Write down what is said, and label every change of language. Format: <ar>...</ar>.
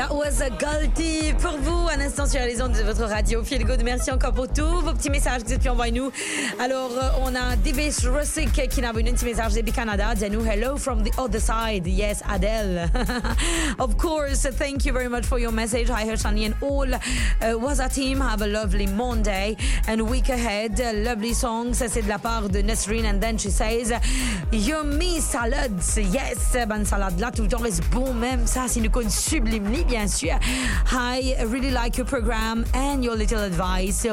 <fr>Salty pour vous, un instant sur les ondes de votre radio. Feel good, merci encore pour tous vos petits messages que vous avez pu envoyer nous. Alors, on a Davis Rusick qui nous a envoyé un petit message depuis Canada. Dis-nous,</fr> <en>hello from the other side. Yes, Adele. Of course, thank you very much for your message. Hi, Hershani and all WASA team. Have a lovely Monday and week ahead. Lovely song.</en> <fr>Ça, c'est de la part de Nesrine.</fr> <en>And then she says, yummy salads.</en> <fr>Yes, bonne salade là tout le temps. Mais bon, même ça, c'est une cause sublime, bien sûr.</fr> <en>Hi, really like your program and your little advice.</en>